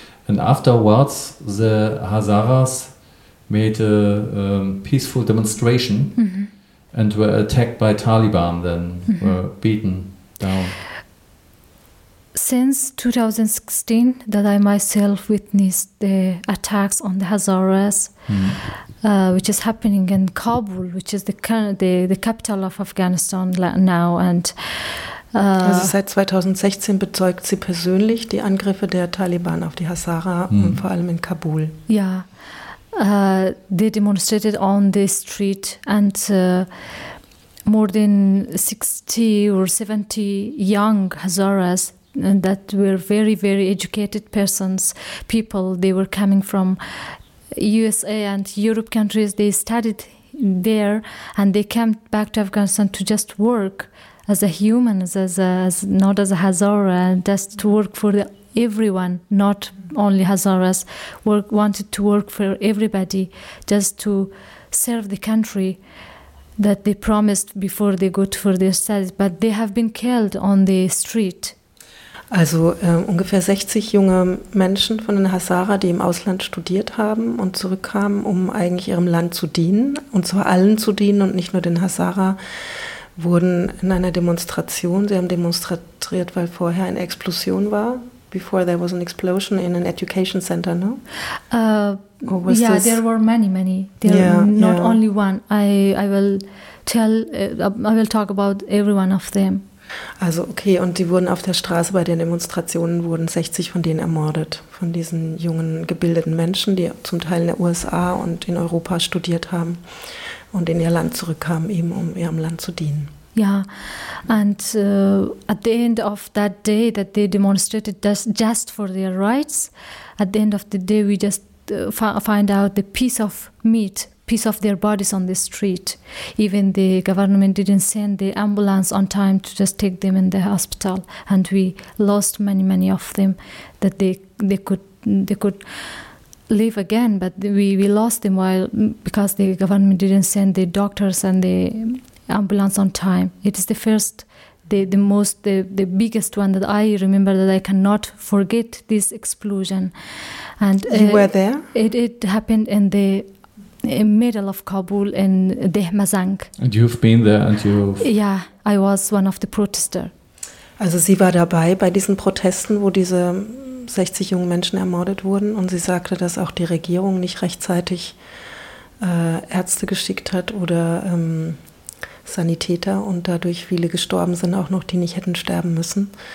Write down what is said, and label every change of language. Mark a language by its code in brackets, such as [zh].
[en] And afterwards, the Hazaras made a peaceful demonstration and were attacked by Taliban, then were beaten down. Since 2016, that I myself witnessed the attacks on the Hazaras, which is happening in Kabul, which is the capital of Afghanistan now. And [de] also seit 2016 bezeugt sie persönlich die Angriffe der Taliban auf die Hazara, und vor allem in Kabul. [en] Yeah, they demonstrated on the street, and more than 60 or 70 young Hazaras. And that were very, very educated persons, people. They were coming from USA and Europe countries. They studied there and they came back to Afghanistan to just work as a human, as not as a Hazara, and just to work for everyone, not only Hazaras, wanted to work for everybody, just to serve the country that they promised before they go for their studies. But they have been killed on the street. [de] Also ungefähr 60 junge Menschen von den Hazara, die im Ausland studiert haben und zurückkamen, um eigentlich ihrem Land zu dienen, und zwar allen zu dienen und nicht nur den Hazara, wurden in einer Demonstration, sie haben demonstriert, weil vorher eine Explosion war, [en] before there was an explosion in an education center, no? There were many, many. Only one. I will talk about every one of them. [de] Also okay, und die wurden auf der Straße bei den Demonstrationen, wurden 60 von denen ermordet, von diesen jungen, gebildeten Menschen, die zum Teil in den USA und in Europa studiert haben und in ihr Land zurückkamen, eben um ihrem Land zu dienen. [en] Yeah, and at the end of that day that they demonstrated just for their rights, at the end of the day we just find out the piece of meat, piece of their bodies on the street. Even the government didn't send the ambulance on time to just take them in the hospital, and we lost many of them, that they could live again, but we lost them because the government didn't send the doctors and the ambulance on time. It is the first, the biggest one that I remember, that I cannot forget, this explosion. And you were there? It happened in the middle of Kabul in Dehmazang. And you've been there and you've... Yeah, I was one of the protesters. [de] Also sie war dabei bei diesen Protesten, wo diese 60 jungen Menschen ermordet wurden, und sie sagte, dass auch die Regierung nicht rechtzeitig Ärzte geschickt hat oder Sanitäter, und dadurch viele gestorben sind, auch noch, die nicht hätten sterben müssen.